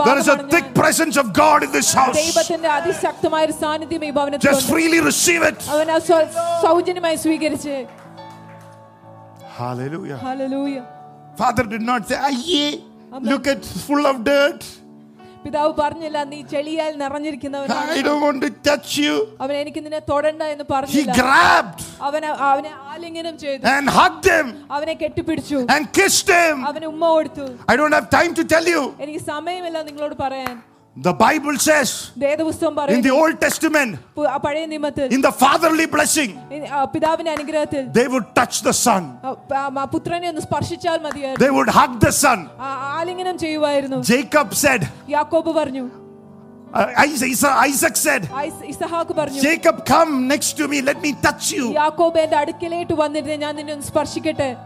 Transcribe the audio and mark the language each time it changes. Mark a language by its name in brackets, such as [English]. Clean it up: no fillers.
[English] bhagam, there is a thick presence of God in this house, [Malayalam] devathinte adishaktamaya oru saanidhyam ee bhavanathil, [English] just freely receive it, [Malayalam] avana sau ജനമായി സ്വീകരിച്ചു. [English] Hallelujah. Hallelujah. Father did not say, "Ayye, look at full of dirt." [Malayalam] പിതാവ് പറഞ്ഞില്ല, നീ ചെളിയാൽ നിറഞ്ഞിരിക്കുന്നവനാണ്. [English] I don't want to touch you. [Malayalam] അവൻ എനിക്ക് നിന്നെ തൊടണ്ട എന്ന് പറഞ്ഞില്ല. [English] He grabbed. [Malayalam] അവനെ ആലിംഗനം ചെയ്തു. [English] And hugged him. [Malayalam] അവനെ കെട്ടിപ്പിടിച്ചു. [English] And kissed him. [Malayalam] അവനെ ഉമ്മ കൊടുത്തു. [English] I don't have time to tell you. [Malayalam] എനിക്ക് സമയമില്ല നിങ്ങളോട് പറയാൻ. [English] The Bible says, [Malayalam] ദേവദൂതൻ പറയുന്നു, [English] in the Old Testament, [Malayalam] പഴയ നിയമത്തിൽ, [English] in the fatherly blessing, [Malayalam] പിതാവിന്റെ അനുഗ്രഹത്തിൽ, [English] they would touch the son, [Malayalam] പുത്രനെ ഒന്ന് സ്പർശിച്ചാൽ മതിയായിരുന്നു, [English] they would hug the son, [Malayalam] ആലിംഗനം ചെയ്യുവായിരുന്നു, [English] Jacob said, [Malayalam] യാക്കോബ് പറഞ്ഞു, [English] Isaac said, [Malayalam] ഇസഹാക്ക് പറഞ്ഞു, [English] Jacob come next to me, let me touch you, [Malayalam] യാക്കോബ് എന്റെ അടുക്കലേട്ട് വന്നിരുന്നു, ഞാൻ നിന്നെ ഒന്ന് സ്പർശിക്കട്ടെ,